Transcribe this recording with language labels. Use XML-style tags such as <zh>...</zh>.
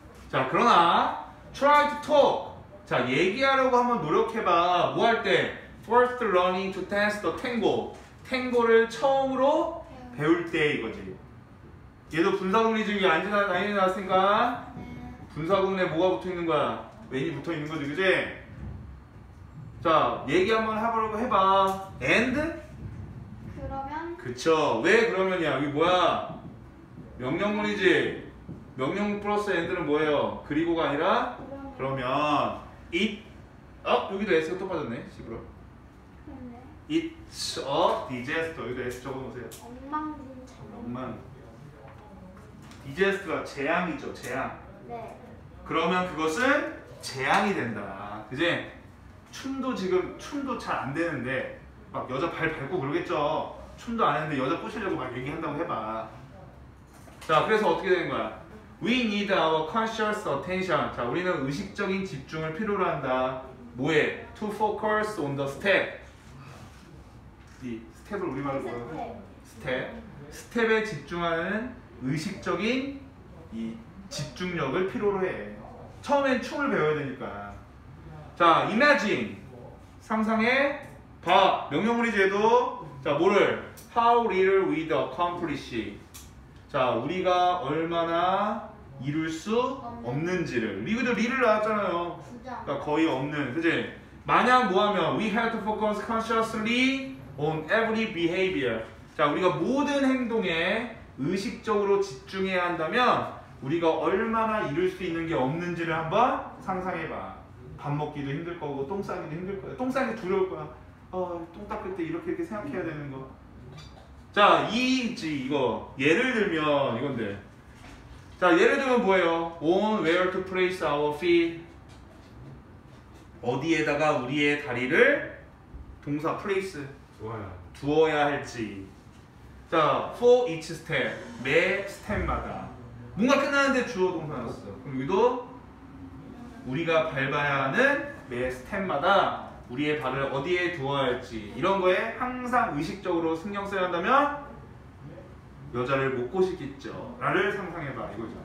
<ko>자, 그러나,</ko> <en>try to talk.</en> <ko>자, 얘기하려고 한번 노력해봐. 뭐 할 때?</ko> <en>First learning to dance the tango.</en> <ko>탱고를 처음으로 배울 때 이거지. 얘도 분사구문이 지금 안 지나갔으니까 분사구문에 뭐가 붙어 있는 거야? 왠이 붙어 있는 거지, 그지? 자, 얘기 한번 해보려고 해봐.</ko> <en>And?</en> <ko>그러면? 그쵸. 왜 그러면이야? 이게 뭐야? 명령문이지? 명령 플러스 and는 뭐예요? 그리고가 아니라? 그러면. 그러면 it. 여기도 s가 또 빠졌네, 집으로. 그러네.</ko> <en>It's a disaster.</en> <ko>여기도 s 적어놓으세요. 엉망진창. 엉망. disaster가 재앙이죠, 재앙. 네. 그러면 그것은 재앙이 된다. 그지? 춤도 지금, 춤도 잘 안 되는데, 막 여자 발 밟고 그러겠죠? 춤도 안 했는데 여자 꼬시려고 막 얘기한다고 해봐. 자, 그래서 어떻게 되는 거야?</ko> <en>We need our conscious attention.</en> <ko>자, 우리는 의식적인 집중을 필요로 한다. 뭐에?</ko> <en>To focus on the step.</en> <ko>이 step을 우리말로 뭐라고 해? 스텝. 스텝에 집중하는 의식적인 이 집중력을 필요로 해. 처음엔 춤을 배워야 되니까. 자, imagine. 상상해. 봐. 명령문이지, 얘도. 자, 뭐를?</ko> <en>How little we'd accomplish.</en> <ko>자, 우리가 얼마나 이룰 수 없는지를. 리그도 리를 나왔잖아요. 그러니까 거의 없는. 그치? 만약 뭐 하면,</ko> <en>we have to focus consciously on every behavior.</en> <ko>자, 우리가 모든 행동에 의식적으로 집중해야 한다면, 우리가 얼마나 이룰 수 있는 게 없는지를 한번 상상해봐. 밥 먹기도 힘들 거고, 똥 싸기도 힘들 거야. 똥 싸기 두려울 거야. 똥 닦을 때 이렇게 이렇게 생각해야 되는 거. 자, 이지 이거 예를 들면 이건데. 자, 예를 들면 뭐예요?</ko> <en>On where to place our feet.</en> <ko>어디에다가 우리의 다리를 동사 place 두어야 할지. 자,</ko> <en>for each step.</en> <ko>매 스텝마다. 뭔가 끝나는데 주어 동사 나왔어. 그럼 여기도 우리가 밟아야 하는 매 스텝마다 우리의 발을 어디에 두어야 할지 이런 거에 항상 의식적으로 신경 써야 한다면 여자를 못 꼬시겠죠 라를 상상해봐 이거죠.</ko>